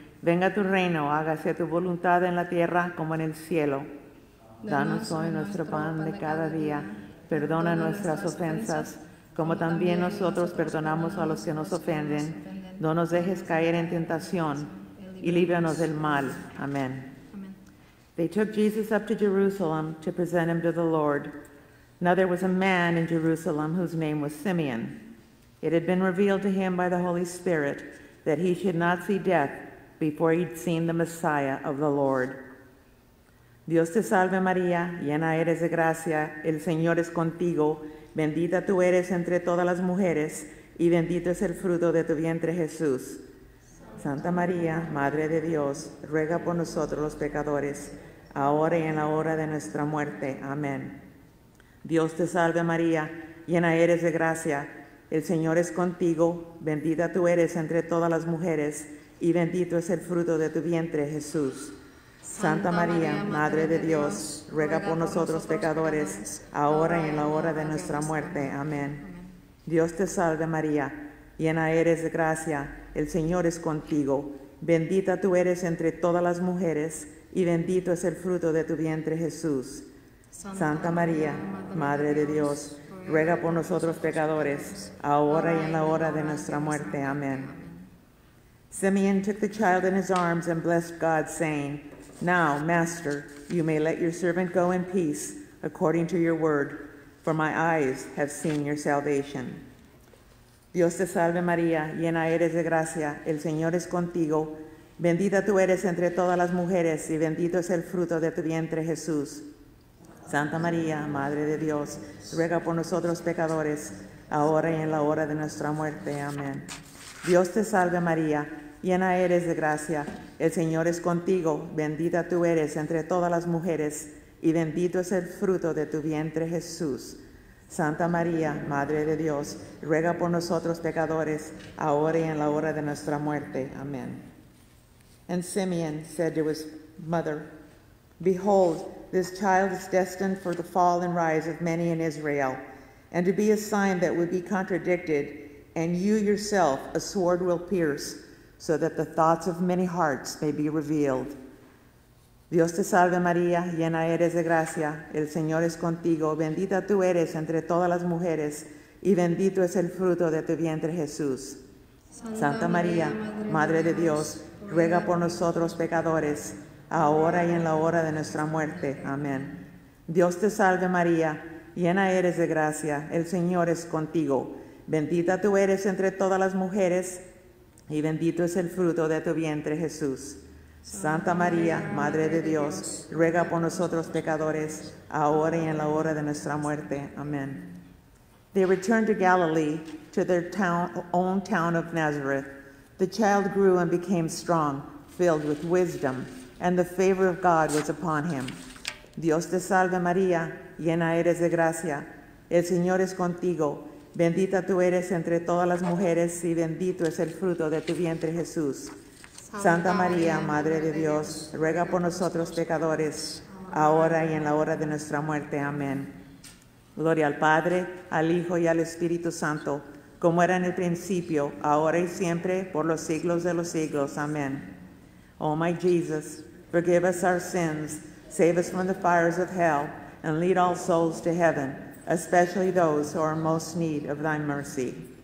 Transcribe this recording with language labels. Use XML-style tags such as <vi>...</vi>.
<es>Venga tu reino, hágase tu voluntad en la tierra como en el cielo. Danos hoy nuestro pan de cada día. Perdona nuestras ofensas, como también nosotros perdonamos a los que nos ofenden. No nos dejes caer en tentación y líbranos del mal. Amén.</es> <en>They took Jesus up to Jerusalem to present him to the Lord. Now there was a man in Jerusalem whose name was Simeon. It had been revealed to him by the Holy Spirit that he should not see death before he'd seen the Messiah of the Lord.</en> <es>Dios te salve María, llena eres de gracia, el Señor es contigo, bendita tú eres entre todas las mujeres, y bendito es el fruto de tu vientre Jesús. Santa María, Madre de Dios, ruega por nosotros los pecadores, ahora y en la hora de nuestra muerte. Amén. Dios te salve María, llena eres de gracia, el Señor es contigo, bendita tú eres entre todas las mujeres, y bendito es el fruto de tu vientre Jesús. Santa María, Madre de Dios, ruega por nosotros pecadores, ahora y en la hora de nuestra muerte. Amén. Dios te salve María, llena eres de gracia, el Señor es contigo, bendita tú eres entre todas las mujeres, y bendito es el fruto de tu vientre Jesús. Santa María, Madre de Dios, ruega por nosotros pecadores, ahora y en la hora de nuestra muerte. Amén.</es> <en>Simeon took the child in his arms and blessed God, saying, Now, Master, you may let your servant go in peace according to your word, for my eyes have seen your salvation.</en> <es>Dios te salve, María, llena eres de gracia, el Señor es contigo. Bendita tú eres entre todas las mujeres, y bendito es el fruto de tu vientre, Jesús. Santa María, Madre de Dios, ruega por nosotros pecadores, ahora y en la hora de nuestra muerte. Amén. Dios te salve, María, llena eres de gracia, el Señor es contigo, bendita tú eres entre todas las mujeres, y bendito es el fruto de tu vientre, Jesús. Santa María, Madre de Dios, ruega por nosotros pecadores, ahora y en la hora de nuestra muerte. Amén.</es> <en>And Simeon said to his mother, Behold, this child is destined for the fall and rise of many in Israel, and to be a sign that would be contradicted, and you yourself a sword will pierce, so that the thoughts of many hearts may be revealed.</en> <es>Dios te salve María, llena eres de gracia, el Señor es contigo, bendita tú eres entre todas las mujeres, y bendito es el fruto de tu vientre Jesús. Santa María, Madre de Dios, ruega por nosotros pecadores, ahora y en la hora de nuestra muerte. Amén. Dios te salve María, llena eres de gracia, el Señor es contigo, bendita tú eres entre todas las mujeres, y bendito es el fruto de tu vientre, Jesús. Santa María, Madre de Dios, ruega por nosotros pecadores, ahora y en la hora de nuestra muerte. Amén.</es> <en>They returned to Galilee, to their own town of Nazareth. The child grew and became strong, filled with wisdom, and the favor of God was upon him.</en> <es>Dios te salve, María, llena eres de gracia. El Señor es contigo. Bendita tú eres entre todas las mujeres, y bendito es el fruto de tu vientre, Jesús. Santa María, Madre de Dios, ruega por nosotros pecadores, ahora y en la hora de nuestra muerte. Amén. Gloria al Padre, al Hijo y al Espíritu Santo, como era en el principio, ahora y siempre, por los siglos de los siglos. Amén.</es> <en>Oh my Jesus, forgive us our sins, save us from the fires of hell, and lead all souls to heaven, especially those who are most in need of thy mercy.</en>